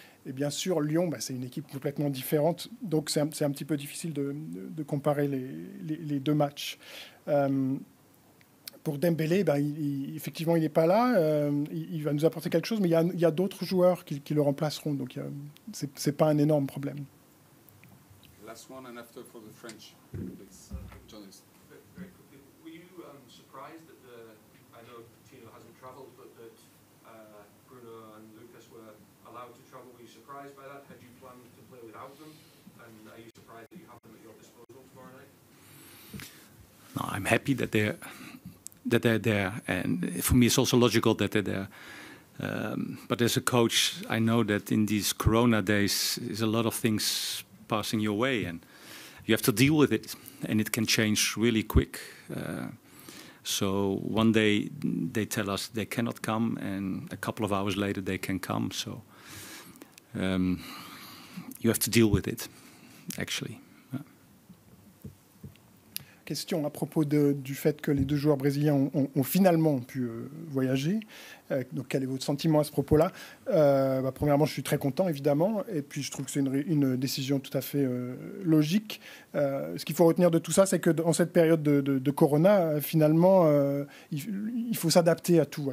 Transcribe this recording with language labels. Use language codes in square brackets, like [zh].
[fr] Et bien sûr, Lyon, bah, c'est une équipe complètement différente. Donc, c'est un petit peu difficile de comparer les deux matchs. Pour Dembélé, ben, effectivement, il n'est pas là. Il va nous apporter quelque chose, mais il y a d'autres joueurs qui le remplaceront. Donc, ce n'est pas un énorme problème. [en] Last one and after for the French, please. Jonas. Were you surprised that the, I know Tino hasn't traveled, but that Bruno and Lucas were allowed to travel? Were you surprised by that? Had you planned to play without them? And are you surprised that you have them at your disposal tomorrow night? No, I'm happy that they're... that they're there, and for me it's also logical that they're there. But as a coach, I know that in these Corona days, there's a lot of things passing your way, and you have to deal with it, and it can change really quick. So one day they tell us they cannot come, and a couple of hours later they can come. So you have to deal with it, actually. [fr] Question à propos du fait que les deux joueurs brésiliens ont finalement pu voyager. Donc, quel est votre sentiment à ce propos-là? Bah, premièrement, je suis très content, évidemment. Et puis, je trouve que c'est une décision tout à fait logique. Ce qu'il faut retenir de tout ça, c'est que dans cette période de Corona, finalement, il faut s'adapter à tout. Hein.